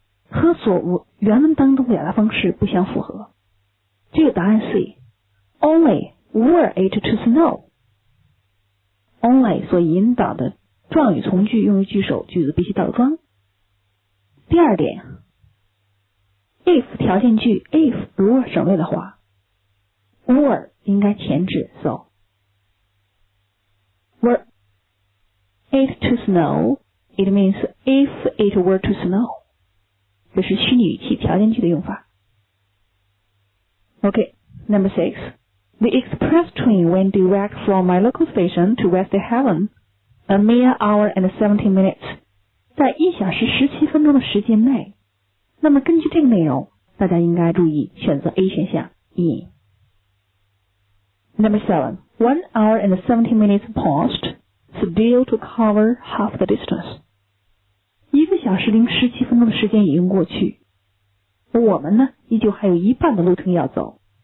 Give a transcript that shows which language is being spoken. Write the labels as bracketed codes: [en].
[zh] 和所原文当中表达方式不相符合这个答案 C [en] Only were it to snow [zh] Only 所引导的状语从句用于句首句子必须倒装第二点 If 条件句 If 如果省略的话 were 应该前置 [en] soWere it to snow, it means if it were to snow. [zh] 这是虚拟语气条件句的用法。 [en] OK, number six. The express train went direct from my local station to West Haven, a mere hour and 17 minutes. [zh] 在一小时十七分钟的时间内。那么根据这个内容大家应该注意选择 A 选项 E. [en] Number seven, 1 hour and 17 minutes passed, still to cover half the distance. [zh] 一个小时零十七分钟的时间已经过去，我们呢依旧还有一半的路程要走。